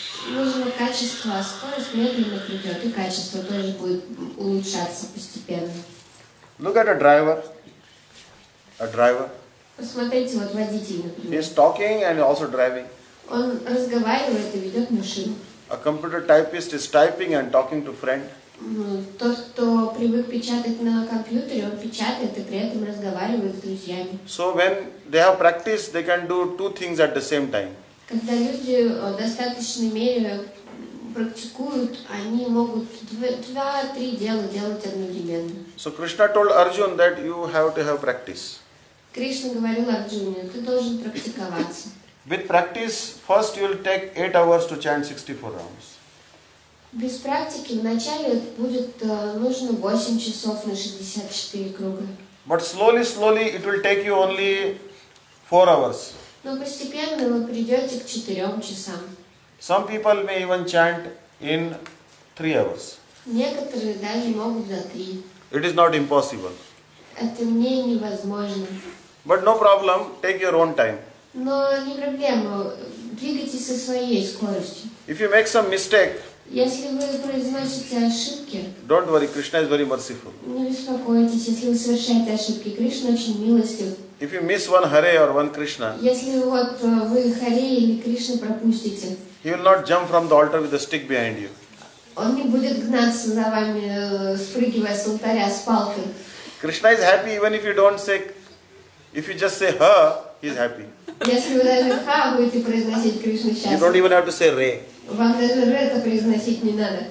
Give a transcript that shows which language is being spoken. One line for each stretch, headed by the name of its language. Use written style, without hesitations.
Russian: Нужно качество, а скорость медленно придет, и качество тоже будет улучшаться постепенно.
English: Look at a driver. A driver.
Russian: Посмотрите, вот водитель, например.
English: He is talking and also driving.
Russian: Он разговаривает и ведет машину.
English: A computer typist is typing and talking to friend.
Russian: Тот, кто привык печатать на компьютере, он печатает и при этом разговаривает с друзьями.
English: So when they have practice, they can do two things at the same time.
Russian: Когда люди в достаточной мере практикуют, они могут два-три дела делать одновременно.
English: So Krishna told Arjuna that you have to have practice.
Russian: Кришна говорил Арджуне, ты должен практиковаться.
English: With practice, first you will take 8 hours to chant 64 rounds.
Russian: Без практики вначале будет нужно 8 часов на 64 круга.
English: But slowly, slowly it will take you only 4 hours.
Russian: Но постепенно вы придете к 4 часам.
English: Some people may even chant in 3 hours.
Russian: Некоторые даже могут за 3.
English: It is not impossible.
Russian: Это не невозможно.
English: But no problem, take your own time.
Russian: Но не проблема, двигайтесь со своей скоростью.
English: If you make some mistake,
Russian: если вы произносите ошибки,
English: don't worry, Krishna is very merciful.
Russian: Не беспокойтесь, если вы совершаете ошибки, Кришна очень милостив.
English: If you miss one Hare or one Krishna,
Russian: если вот вы Харе или Кришну пропустите,
English: he will not jump from the altar with a stick behind you.
Russian: Он не будет гнаться за вами, спрыгивая с алтаря с палкой.
English: Krishna is happy even if you don't say, if you just say Ha, he is happy.
Russian: Если вы даже Ха будете произносить, Кришна счастлив.
English: You don't even have to say Re.
Russian: Вам даже это произносить не надо.